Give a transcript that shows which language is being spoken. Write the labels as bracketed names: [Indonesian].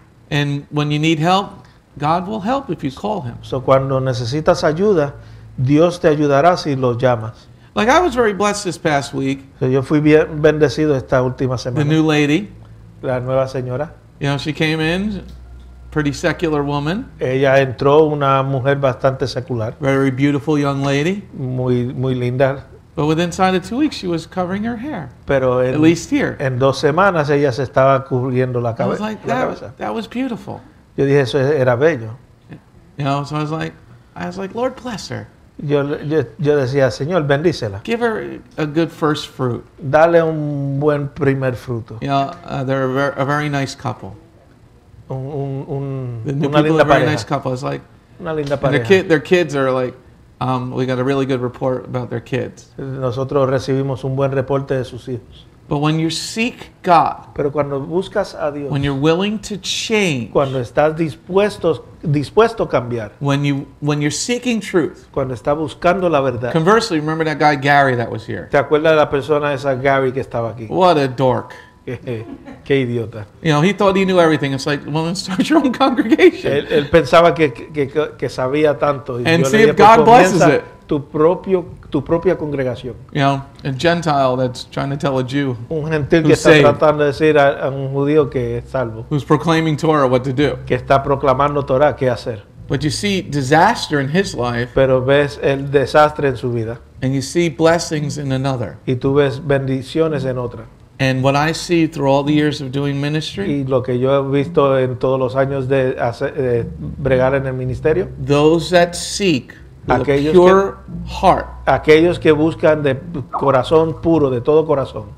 [English] And when you need help, God will help if you call him. [Spanish] So cuando necesitas ayuda, Dios te ayudará si lo llamas. [English] Like I was very blessed this past week. [Spanish] So yo fui bien bendecido esta última semana. [English] The new lady. [Spanish] La nueva señora. [English] You know, she came in, pretty secular woman. [Spanish] Ella entró, una mujer bastante secular. [English] Very beautiful young lady. [Spanish] Muy, muy linda. [English] But within inside of 2 weeks, she was covering her hair. [Spanish] Pero [English] en, at least here. [Spanish] En dos semanas ella se estaba cubriendo la cabeza. [English] I was like, that was beautiful. [Spanish] Yo dije, eso era bello. [English] You know, so I was like, Lord bless her. [Spanish] Yo decía, Señor, bendícela. [English] Give her a good first fruit. [Spanish] Dale un buen primer fruto. [English] Yeah, you know, they're a very nice couple. The new people are a very nice couple. It's like, [Spanish] una linda pareja. [English] Their kids are like, we got a really good report about their kids. [Spanish] Nosotros recibimos un buen reporte de sus hijos. [English] But when you seek God, [Spanish] pero cuando buscas a Dios, [English] when you're willing to change, [Spanish] cuando estás dispuesto a cambiar, [English] when you're seeking truth, [Spanish] cuando está buscando la verdad. [English] Conversely, remember that guy Gary that was here. [Spanish] ¿Te acuerdas de la persona esa Gary que estaba aquí? [English] What a dork. [Spanish] Qué idiota. [English] You know, he thought he knew everything. It's like, well, then start your own congregation. [Spanish] Él pensaba que sabía tanto. [English] And see if God blesses it. [Spanish] Tu propia congregación. [English] You know, a Gentile that's trying to tell a Jew. [Spanish] Un gentil que está tratando de decir a un judío que es salvo. [English] Who's proclaiming Torah what to do. [Spanish] Que está proclamando Torah qué hacer. [English] But you see disaster in his life. [Spanish] Pero ves el desastre en su vida. [English] And you see blessings in another. [Spanish] Y tú ves bendiciones en otra. [English] And what I see through all the years of doing ministry, [Spanish] y lo que yo he visto en todos los años de bregar en el ministerio, [English] those that seek aquellos with a pure heart, [Spanish] aquellos que buscan de corazón puro, de todo corazón,